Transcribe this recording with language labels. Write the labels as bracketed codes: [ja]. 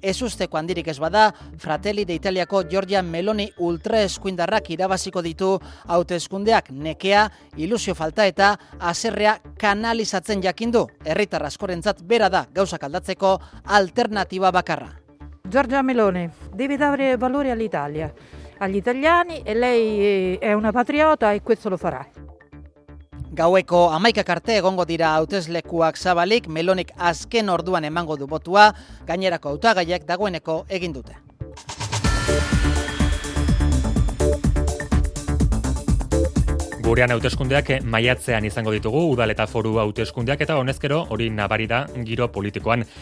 [eu] Ez usteko handirik ez bada, Fratelli de Italiako Giorgia Meloni ultraeskuindarrak irabaziko ditu hauteskundeak, nekea, ilusio falta eta haserrea kanalizatzen jakindu, herritar askorentzat bera da gauzak aldatzeko alternatiba bakarra. [it] Giorgia Meloni, deve dare valore all'Italia, agli italiani, e lei è una patriota e questo lo farà. [eu] Gaueko 11 arte egongo dira hauteslekuak zabalik, Melonik azken orduan emango du botua, gainerako hautagaiak dagoeneko egin dute. Gurean hauteskundeak maiatzean izango ditugu, udal eta foru hauteskundeak eta honezkero hori nabari da giro politikoan.